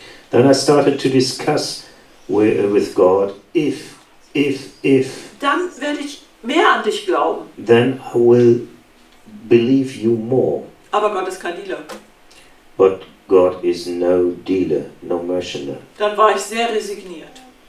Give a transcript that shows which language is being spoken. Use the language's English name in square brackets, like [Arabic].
[English] Then I started to discuss with God if. [German] Dann werde ich mehr an dich glauben. [English] Then I will believe you more. [German] Aber Gott ist kein Dealer. [English] But God is no dealer, no merchant. [German] Dann war ich sehr resigniert.